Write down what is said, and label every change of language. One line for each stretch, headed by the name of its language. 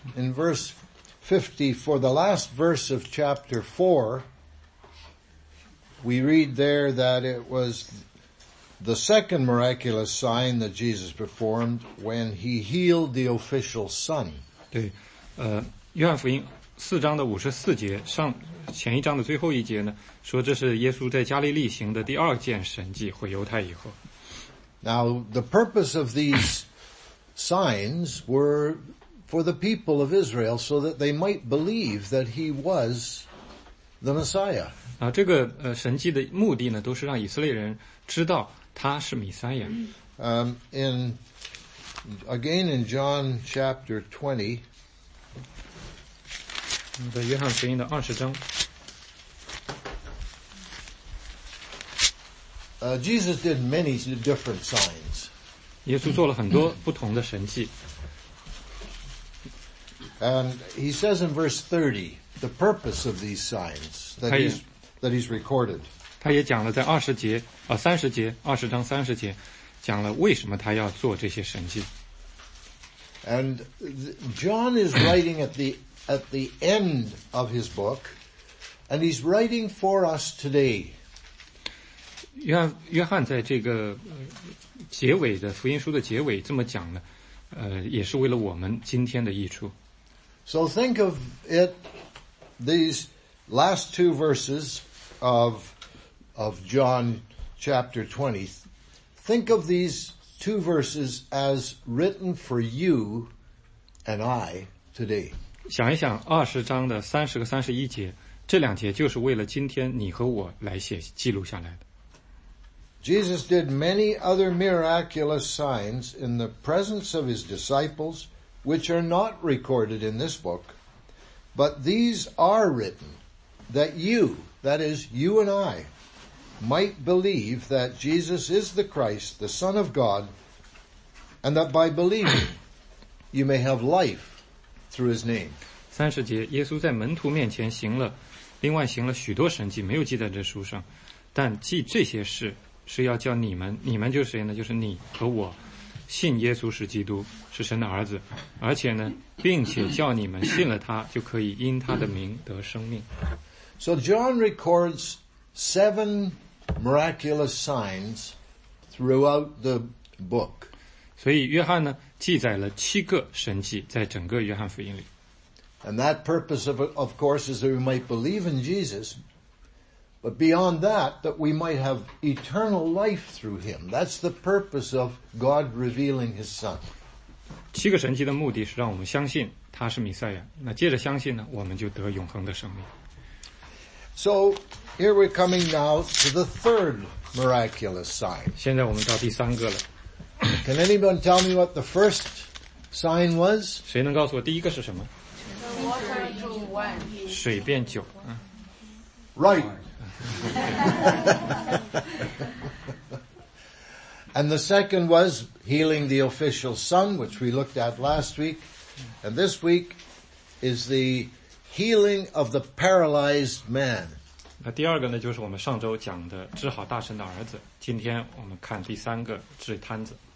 English: In verse 50, for the last verse of chapter 4, we read there that it was... The second miraculous sign that Jesus performed when he healed the official's son.
Chinese: 对，约翰福音四章的五十四节，上前一章的最后一节呢，说这是耶稣在加利利行的第二件神迹，回犹太以后。
English: Now, the purpose of these signs were for the people of Israel so that they might believe that he was the Messiah.
Chinese: 啊，这个神迹的目的呢，都是让以色列人知道。他是弥赛亚。
English: In John chapter 20,
Chinese: 在约翰福音的二十章
English: ，Jesus did many different signs.
Chinese: 耶稣做了很多不同的神迹。
English: And he says in verse 30, the purpose of these signs that he's recorded.
Chinese: 他也讲了在二十节啊三十节二十章三十节讲了为什么他要做这些神迹。
English: And John is writing at the end of his book, and he's writing for us today.
Chinese: 约翰在这个结尾的福音书的结尾这么讲呢，也是为了我们今天的益处。
English: So think of it, these last two verses of John chapter 20, think of these two verses as written for you and I today.
Chinese: 想一想二十章的三十和三十一节，这两节就是为了今天你和我来写记录下来的。
English: Jesus did many other miraculous signs in the presence of his disciples, which are not recorded in this book, but these are written that you, that is, you and I, might believe that Jesus is the Christ, the Son of God, and that by believing, you may have life through his name.
Chinese: 三十节，耶稣在门徒面前行了，另外行了许多神迹，没有记在这书上，但记这些事是要叫你们，你们就是谁呢？就是你和我，信耶稣是基督，是神的儿子，而且呢，并且叫你们信了他，就可以因他的名得生命。
English: So John records seven miraculous signs throughout the book.
Chinese: 所以约翰呢，记载了七个神迹在整个约翰福音里。
English: And that purpose of course is that we might believe in Jesus. But beyond that, that we might have eternal life through him. That's the purpose of God revealing his son.
Chinese: 七个神迹的目的是让我们相信他是弥赛亚。那借着相信呢，我们就得永恒的生命。
English: So, here we're coming now to the third miraculous sign.
Chinese: 现在我们到第三个了。
English: Can anyone tell me what the first sign was?
Chinese: 谁能告诉我第一个是什么？
English: The water into wine.
Chinese: 水变酒。
English: Right. And the second was healing the official son, which we looked at last week. And this week is the healing of the paralyzed man.
Chinese: 那第二个呢，就是我们上周讲的治好大臣的儿子。今天我们看第三个治瘫子。